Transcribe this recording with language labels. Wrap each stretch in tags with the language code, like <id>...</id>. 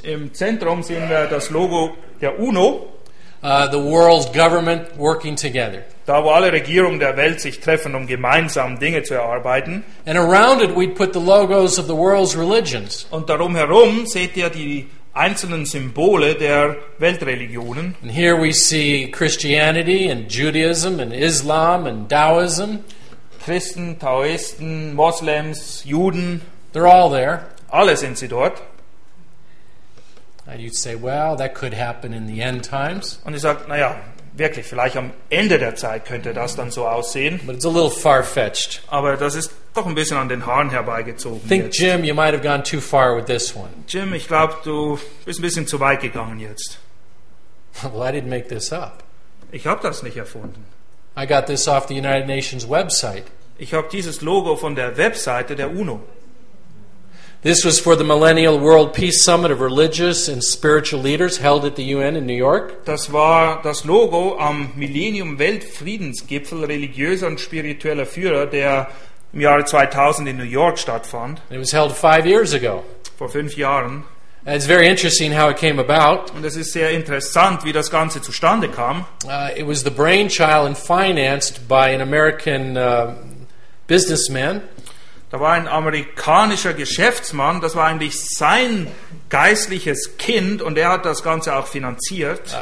<de>Im Zentrum sehen wir das Logo der UNO.</de> <en>The world's government working together.</en> <de>Da wo alle Regierungen der Welt sich treffen, um gemeinsam Dinge zu erarbeiten.</de> <en>And around it we'd put the logos of the world's religions.</en> <de>Und darum herum seht ihr die einzelnen Symbole der Weltreligionen.</de> <en>And here we see Christianity and Judaism and Islam and Taoism.</en> <de>Christen, Taoisten, Moslems, Juden.</de> <en>They're all there.</en> <de>Alle sind sie dort.</de> <en>And you'd say, well, that could happen in the end times.</en> <de>Und ich sag, naja, wirklich, vielleicht am Ende der Zeit könnte das dann so aussehen.</de> <en>But it's a little far-fetched.</en> <de>Aber das ist doch ein bisschen an den Haaren herbeigezogen.</de> <en>Think, jetzt. Jim, you might have gone too far with this one.</en> <de>Jim, ich glaube, du bist ein bisschen zu weit gegangen jetzt.</de> <en>Well, I didn't make this up.</en> <de>Ich habe das nicht erfunden.</de> <en>I got this off the United Nations website.</en> <de>Ich habe dieses Logo von der Webseite der UNO.</de> <en>This was for the Millennial World Peace Summit of Religious and Spiritual Leaders held at the UN in New York.</en> <de>Das war das Logo am Millennium Weltfriedensgipfel religiöser und spiritueller Führer, der im Jahre 2000 in New York stattfand.</de> <en>It was held 5 years ago.</en> <de>Vor 5 Jahren.</de> <en>And it's very interesting how it came about.</en> <de>Und es ist sehr interessant, wie das Ganze zustande kam.</de> <en>It was the brainchild and financed by an American businessman.</en> <de>Da war ein amerikanischer Geschäftsmann, das war eigentlich sein geistliches Kind und er hat das Ganze auch finanziert.</de>